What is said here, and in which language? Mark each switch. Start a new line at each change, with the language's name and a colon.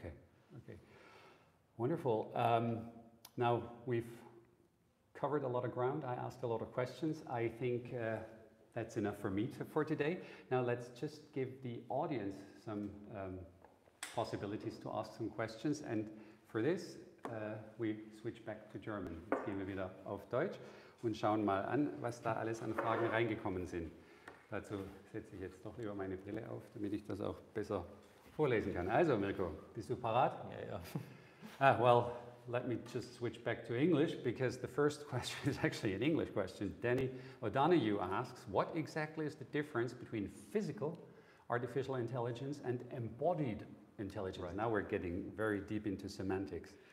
English: Okay. Wonderful. Now we've covered a lot of ground. I asked a lot of questions. I think that's enough for me for today. Now let's just give the audience some possibilities to ask some questions. And for this, we switch back to German.
German: Jetzt gehen wir wieder auf Deutsch. Und schauen mal an, was da alles an Fragen reingekommen sind. Dazu setze ich jetzt doch lieber meine Brille auf, damit ich das auch besser vorlesen kann. Also, Mirko, bist du parat? Ja, ja.
English: Well, let me just switch back to English, because the first question is actually an English question. Danny O'Donoghue asks, what exactly is the difference between physical artificial intelligence and embodied intelligence? Right. Now we're getting very deep into semantics.